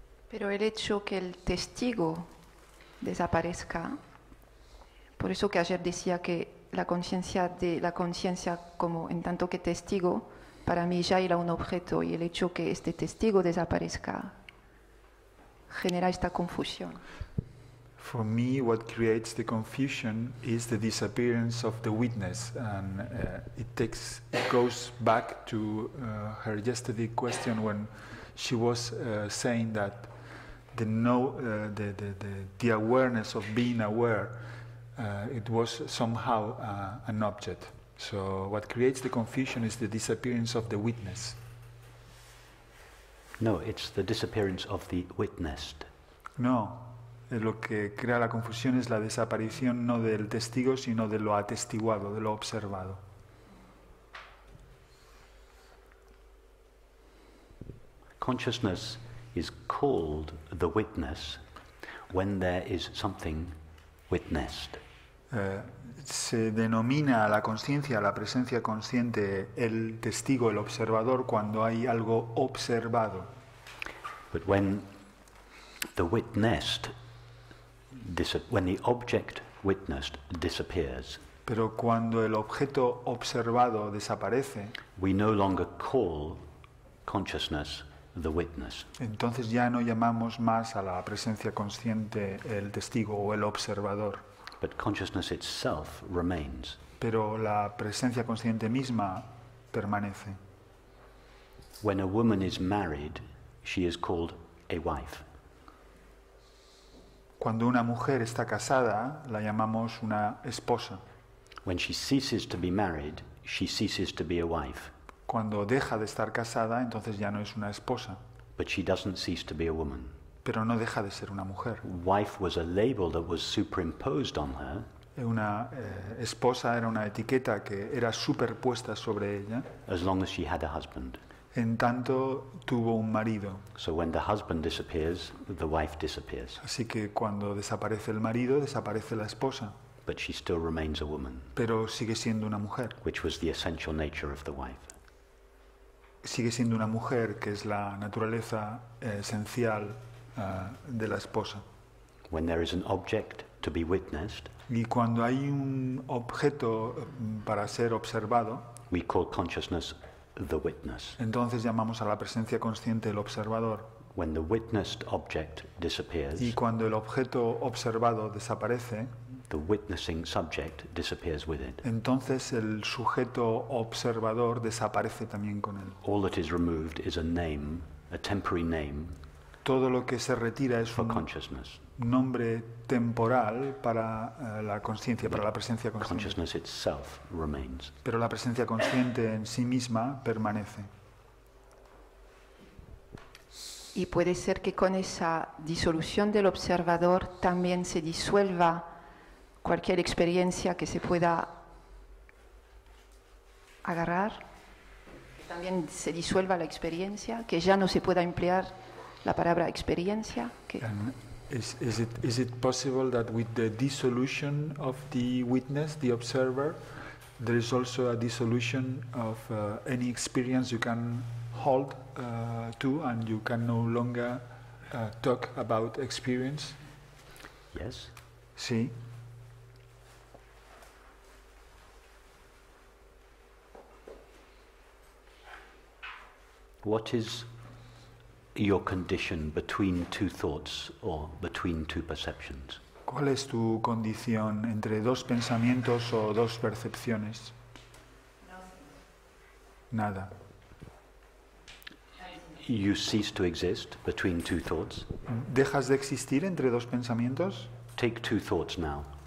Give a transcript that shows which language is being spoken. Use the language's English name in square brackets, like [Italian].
[Spanish] Pero el hecho que el testigo desaparezca, por eso que ayer decía que la conciencia de la conciencia como en tanto que testigo, para mí ya era un objeto, y el hecho que este testigo desaparezca genera esta confusión. [English] For me, what creates the confusion is the disappearance of the witness, and it goes back to her yesterday question when she was saying that the awareness of being aware, it was somehow an object. So what creates the confusion is the disappearance of the witness. No, it's the disappearance of the witnessed. [Spanish] No, lo que crea la confusión es la desaparición no del testigo, sino de lo atestiguado, de lo observado. [English] Consciousness is called the witness when there is something witnessed. [Spanish] Se denomina a la consciencia, a la presencia consciente, el testigo, el observador, cuando hay algo observado. [English] But when the witnessed, when the object witnessed disappears, [Spanish] pero cuando el objeto observado desaparece, [English] we no longer call consciousness the witness. [Spanish] Entonces ya no llamamos más a la presencia consciente el testigo o el observador. [English] But consciousness itself remains. [Spanish] Pero la presencia consciente misma permanece. [English] When a woman is married, she is called a wife. [Spanish] Cuando una mujer está casada, la llamamos una esposa. [English] When she ceases to be married, she ceases to be a wife. [Spanish] Cuando deja de estar casada, entonces ya no es una esposa. [English] But she doesn't cease to be a woman. [Spanish] Pero no deja de ser una mujer. [English] Wife was a label that was superimposed on her. [Spanish] Una esposa era una etiqueta que era superpuesta sobre ella. [English] As long as she had a husband. [Spanish] En tanto tuvo un marido. [English] So when the husband disappears, the wife disappears. [Spanish] Así que cuando desaparece el marido, desaparece la esposa. [English] But she still remains a woman. [Spanish] Pero sigue siendo una mujer. [English] Which was the essential nature of the wife. [Spanish] Sigue siendo una mujer, que es la naturaleza esencial de la esposa. [English] When there is an object to be witnessed, [Spanish] y cuando hay un objeto para ser observado, [English] we call consciousness the witness. [Spanish] Entonces llamamos a la presencia consciente el observador. [English] When the witnessed object disappears, [Spanish] y cuando el objeto observado desaparece, [English] the witnessing subject disappears with it. [Spanish] Entonces el sujeto observador desaparece también con él. [English] All that is removed is a name, a temporary name. [Spanish] Todo lo que se retira es [English] for consciousness. [Spanish] Un nombre temporal para la conciencia, para la presencia consciente. [English] Consciousness itself remains. [Spanish] Pero la presencia consciente en sí misma permanece. Y puede ser que con esa disolución del observador también se disuelva cualquier experiencia que se pueda agarrar, que también se disuelva la experiencia, que ya no se pueda emplear la palabra experiencia. [English] Is it possible that with the dissolution of the witness, the observer, there is also a dissolution of any experience you can hold to, and you can no longer talk about experience? Yes. [Spanish] Sí. [English] What is your condition between two thoughts or between two perceptions? [Spanish] ¿Cuál es tu condición entre dos pensamientos o dos percepciones? [English] Nothing. [Spanish] Nada. [English] You cease to exist between two thoughts. [Spanish] ¿Dejas de existir entre dos pensamientos? [English] Take two thoughts now.